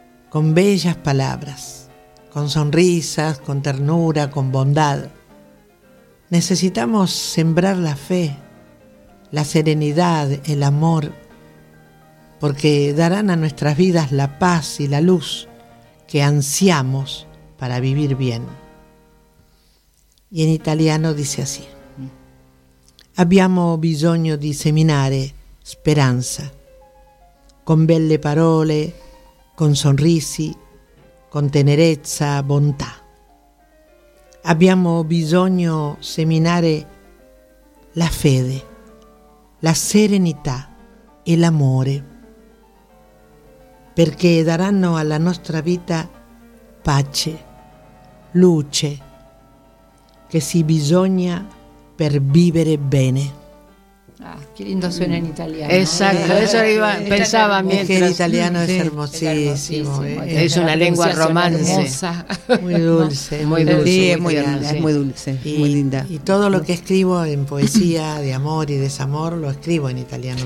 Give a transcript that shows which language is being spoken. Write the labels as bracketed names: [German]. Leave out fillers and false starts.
[Spanish] Con bellas palabras, con sonrisas, con ternura, con bondad. Necesitamos sembrar la fe, la serenidad, el amor, porque darán a nuestras vidas la paz y la luz que ansiamos para vivir bien. Y en italiano dice así: [Italian] abbiamo bisogno di seminare speranza, con belle parole, con sonrisi, con tenerezza, bontà. Abbiamo bisogno seminare la fede, la serenità e l'amore, perché daranno alla nostra vita pace, luce, che si bisogna per vivere bene. [Spanish] Qué lindo suena en italiano. Exacto, eso iba, pensaba mientras. Es que el italiano es hermosísimo. Es una lengua romance. Muy dulce. Muy dulce. Sí, es muy dulce. Y, muy linda. Y todo lo que escribo en poesía de amor y desamor lo escribo en italiano.